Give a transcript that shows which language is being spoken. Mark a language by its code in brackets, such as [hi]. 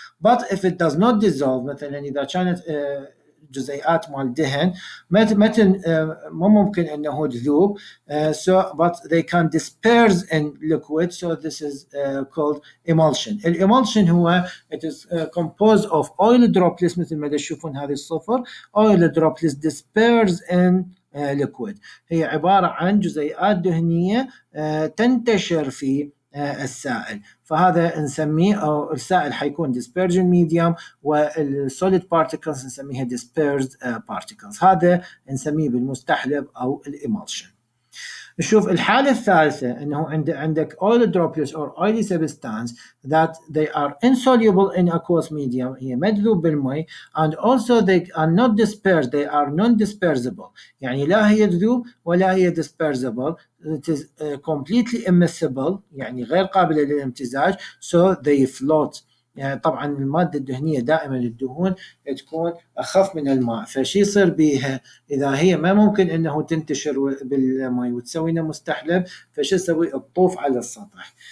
[en] But if it does not dissolve, [ar] مثلا إذا كانت جزيئات مال دهن ما ممكن أنه تذوب. [en] So, but they can disperse in liquid, so this is called emulsion. [ar] الإمولشن هو [en] it is composed of oil droplets [ar] مثل ما تشوفون هذه الصفر. [en] Oil droplets disperse in liquid. [ar] هي عبارة عن جزيئات دهنية تنتشر في السائل. فهذا نسميه أو السائل حيكون dispersion medium والsolid particles نسميها dispersed particles. هذا نسميه بالمستحلب أو الإمولشن. نشوف الحالة الثالثة أنه عندك [en] oil droplets or oily substance that they are insoluble in aqueous medium. [ar] هي مذوب بالماء [en] and also they are not dispersed. They are non-dispersible. [ar] يعني لا هي تذوب ولا هي dispersible. [en] It is completely immiscible. [ar] يعني غير قابلة للامتزاج. [en] So they float. [ar] يعني طبعا المادة الدهنية دائما الدهون تكون أخف من الماء، فشي يصير بيها إذا هي ما ممكن أنه تنتشر بالماء وتسوينا مستحلب، فشي تسوي الطوف على السطح.